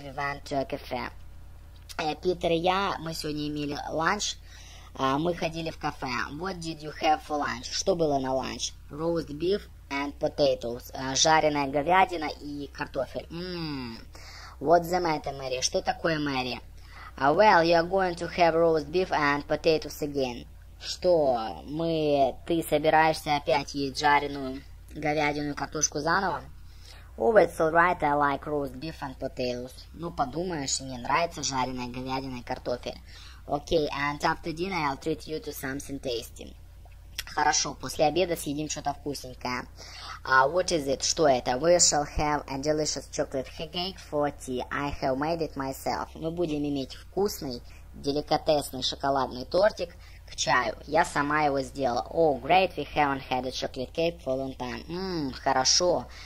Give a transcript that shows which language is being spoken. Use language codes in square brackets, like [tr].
[en] We went to a cafe. [ru] Питер и я, мы сегодня имели ланч. Мы ходили в кафе. [en] What did you have for lunch? [ru] Что было на ланч? [en] Roast beef and potatoes. [ru] Жареная говядина и картофель. [en] What's the matter, Mary? [ru] Что такое, [en] Mary? Well, you're going to have roast beef and potatoes again. [ru] Что? Ты собираешься опять есть жареную говядину и картошку заново? [en] Oh, it's alright, I like roast beef and potatoes. [ru] Ну, подумаешь, мне нравится жареная говядина и картофель. [en] Okay, and after dinner I'll treat you to something tasty. [ru] Хорошо, после обеда съедим что-то вкусненькое. [en] What is it? [ru] Что это? [en] We shall have a delicious chocolate cake for tea. I have made it myself. [ru] Мы будем иметь вкусный, деликатесный шоколадный тортик к чаю. Я сама его сделала. [en] Oh, great, we haven't had a chocolate cake for a long time. [ru] Хорошо.